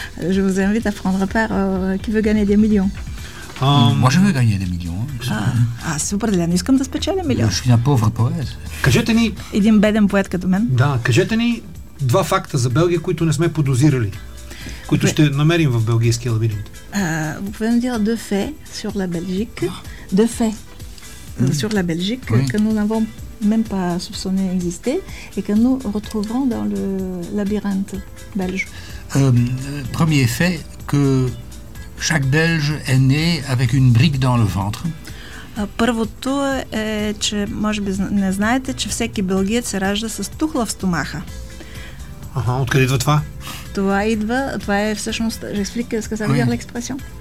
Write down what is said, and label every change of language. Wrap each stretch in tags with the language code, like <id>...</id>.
<fr>Je vous invite à prendre part qui veut gagner des millions. Moi, je veux gagner des millions.</fr> <bg>Аз определено искам да спечеля милион.</bg> <fr>Je suis un pauvre poète.</fr> <bg>Кажете ни... Един беден поет като мен. Да, кажете ни два факта за Белгия, които не сме подозирали. Които ще намерим в белгийския лабиринт.</bg> <fr>Vous pouvez nous dire deux faits sur la Belgique. Deux faits sur la Belgique que nous n'avons même pas soupçonné exister et que nous retrouverons dans le labyrinthe belge. Premier fait que chaque Belge est né avec une brique dans le ventre.</fr> <bg>Първото е, че може би не знаете, че всеки белгиец се ражда с тухла в стомаха. Ага, откъде идва това?</bg> <fr>Това идва, това е всъщност, j'explique ce que ça veut dire l'expression.</fr>